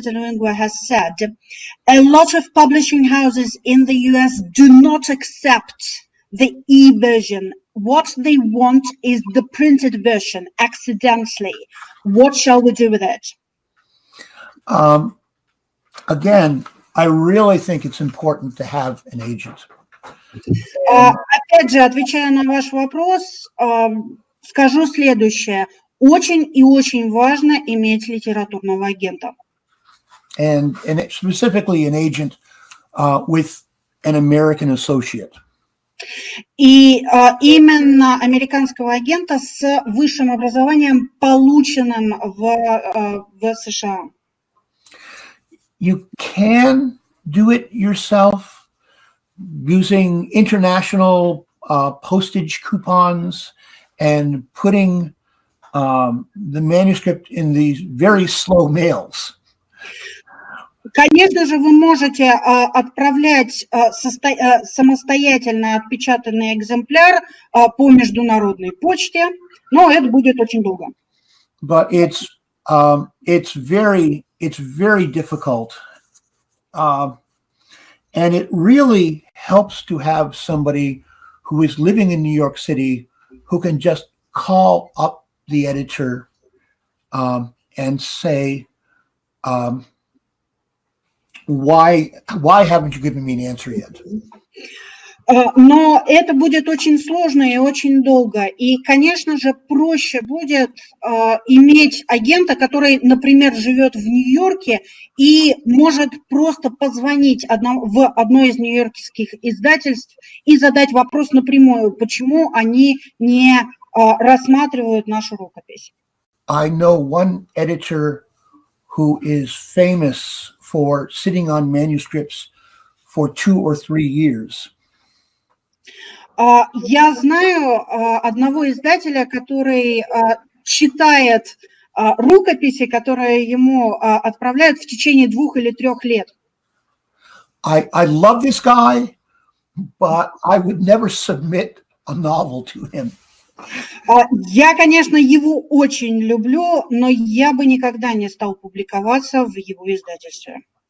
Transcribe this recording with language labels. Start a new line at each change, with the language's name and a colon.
English: Delingua has said, a lot of publishing houses in the US do not accept the e-version. What they want is the printed version, accidentally. What shall we do with it? Again, I really think it's important to have an agent.
Russian: Опять же, отвечая на ваш вопрос, скажу следующее. Очень и очень важно иметь литературного агента.
English: And specifically an agent with an American associate.
Russian: И именно американского агента с высшим образованием, полученным в США.
English: You can do it yourself. Using international postage coupons and putting the manuscript in these very slow mails.
Russian: Конечно же, вы можете отправлять самостоятельно отпечатанный экземпляр по международной почте, но это будет очень долго.
English: But it's very difficult. And it really helps to have somebody who is living in New York City who can just call up the editor and say, why haven't you given me an answer yet?
Russian: Но это будет очень сложно и очень долго. И, конечно же, проще будет иметь агента, который, например, живет в Нью-Йорке и может просто позвонить в одно из нью-йоркских издательств и задать вопрос напрямую, почему они не рассматривают нашу рукопись.
English: I know one editor who is famous for sitting on manuscripts for 2 or 3 years.
Russian: Я знаю одного издателя, который читает рукописи, которые ему отправляют в течение 2 или 3 лет.
English: I love this guy, but I would never submit a novel to him.
Russian: Я, конечно, его очень люблю, но я бы никогда не стал публиковаться в его издательстве.